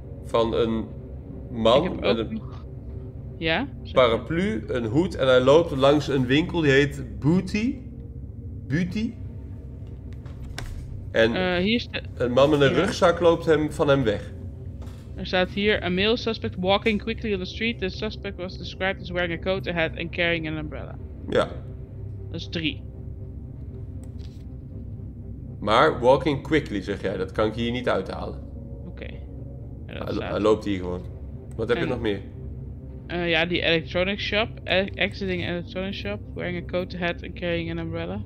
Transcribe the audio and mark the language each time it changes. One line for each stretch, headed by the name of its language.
Dutch: Van een man met een. Ja, paraplu, een hoed en hij loopt langs een winkel die heet Booty. Booty. En een man met een rugzak loopt van hem weg. Er staat hier,
English: a male suspect walking quickly on the street. The suspect was described as wearing a coat, a hat and carrying an umbrella.
Dutch: Ja. Dat is 3. Maar
English: walking quickly
Dutch: zeg jij, dat kan ik hier niet uithalen. Oké. Hij loopt hier gewoon. Wat heb je nog meer?
English: Die electronic shop. Exiting electronic shop. Wearing a coat, a hat and carrying an umbrella.